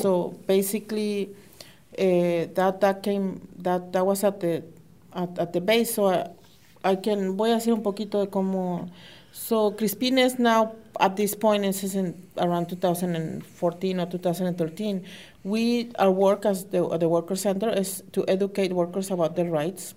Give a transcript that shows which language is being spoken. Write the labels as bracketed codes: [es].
[en] So basically, that was at the base. [es] So voy a hacer un poquito de cómo. [en] So Crispin is now at this point. This is in around 2014 or 2013. Our work as the Worker Center is to educate workers about their rights.